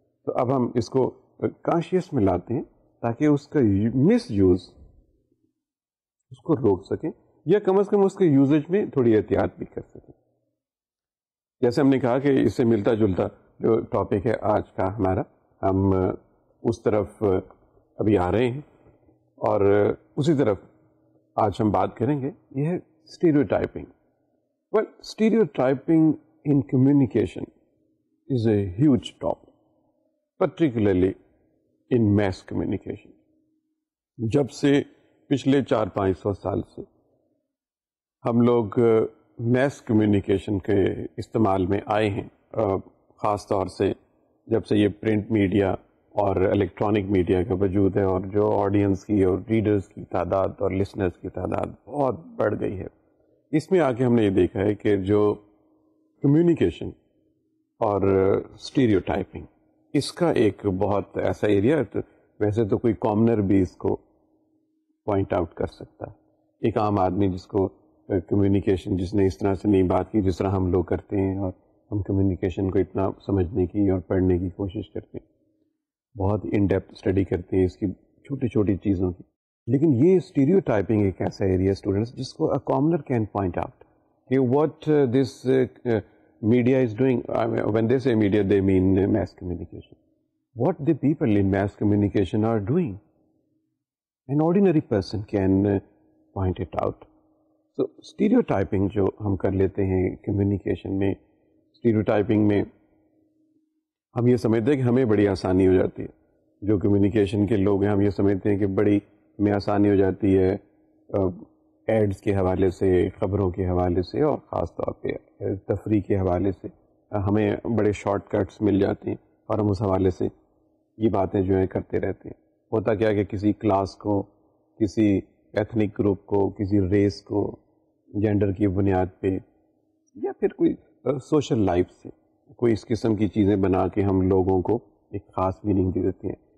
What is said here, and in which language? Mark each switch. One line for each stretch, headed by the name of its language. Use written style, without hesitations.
Urdu: تو اب ہم اس کو کانشیس میں لاتے ہیں تاکہ اس کا مس یوز اس کو روک سکیں, یا کم از کم اس کے یوزج میں تھوڑی احتیاط بھی کر سکیں. جیسے ہم نے کہا کہ اس سے ملتا جلتا جو ٹاپک ہے آج کا ہمارا, ہم اس طرف ابھی آ رہے ہیں اور اسی طرف آج ہم بات کریں گے, یہ ہے سٹیریوٹائپنگ.
English: Well, stereotyping in communication is a huge topic, particularly in mass communication.
Urdu: جب سے پچھلے 400-500 سال سے ہم لوگ میس کمیونیکیشن کے استعمال میں آئے ہیں, خاص طور سے جب سے یہ پرنٹ میڈیا اور الیکٹرانک میڈیا کا وجود ہے, اور جو آڈینس کی اور ریڈرز کی تعداد اور لسنرز کی تعداد بہت بڑھ گئی ہے, اس میں آ کے ہم نے یہ دیکھا ہے کہ جو کمیونیکیشن اور سٹیریوٹائپنگ, اس کا ایک بہت ایسا ایریا ہے. تو ویسے تو کوئی کامنر بھی اس کو پوائنٹ آؤٹ کر سکتا, ایک عام آدمی جس کو کمیونیکیشن, جس نے اس طرح سے نہیں بات کی جس طرح ہم لوگ کرتے ہیں اور ہم کمیونیکیشن کو اتنا سمجھنے کی اور پڑھنے کی کوشش کرتے ہیں, بہت ان ڈیپتھ اسٹڈی کرتے ہیں اس کی چھوٹی چھوٹی چیزوں کی. لیکن یہ اسٹیریو ٹائپنگ ایک ایسا ایریا اسٹوڈنٹس جس کو
English: A commoner can point out کہ what this media is doing, I mean, when they say media they mean mass communication, what the people in mass communication are doing, an ordinary person can point it out.
Urdu: So stereotyping jo hum kar lete hain communication mein, stereotyping mein hum ye samajhte hain ki hame badi aasani ho jati hai, jo communication ke log hain hum ye samajhte hain ki badi me aasani ho jati hai AIDS کے حوالے سے, خبروں کے حوالے سے, اور خاص طور پہ تفریح کے حوالے سے, ہمیں بڑے شارٹ کٹس مل جاتے ہیں اور ہم اس حوالے سے یہ باتیں جو ہیں کرتے رہتے ہیں. ہوتا کیا کہ کسی کلاس کو, کسی ایتھنک گروپ کو, کسی ریس کو جینڈر کی بنیاد پہ یا پھر کوئی سوشل لائف سے کوئی اس قسم کی چیزیں بنا کے ہم لوگوں کو ایک خاص میننگ دے دیتے ہیں.